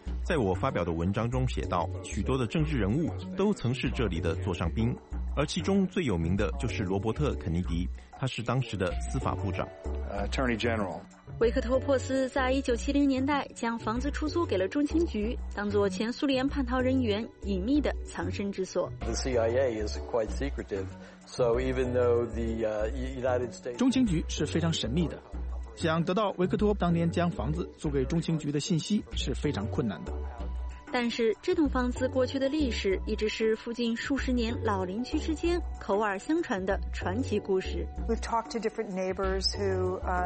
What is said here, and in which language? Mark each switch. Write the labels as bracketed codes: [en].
[zh] 在我发表的文章中写道，许多的政治人物都曾是这里的座上宾，而其中最有名的就是罗伯特·肯尼迪，他是当时的司法部长。 [en] Attorney General. [zh] 维克托·珀斯在1970年代将房子出租给了中情局，当作前苏联叛逃人员隐秘的藏身之所。 [en] The CIA is quite secretive, so even though the United States [zh] 中情局是非常神秘的。想得到维克托当年将房子租给中情局的信息是非常困难的。但是这栋房子过去的历史一直是附近数十年老邻居之间口耳相传的传奇故事。 [en] We've talked to different neighbors who,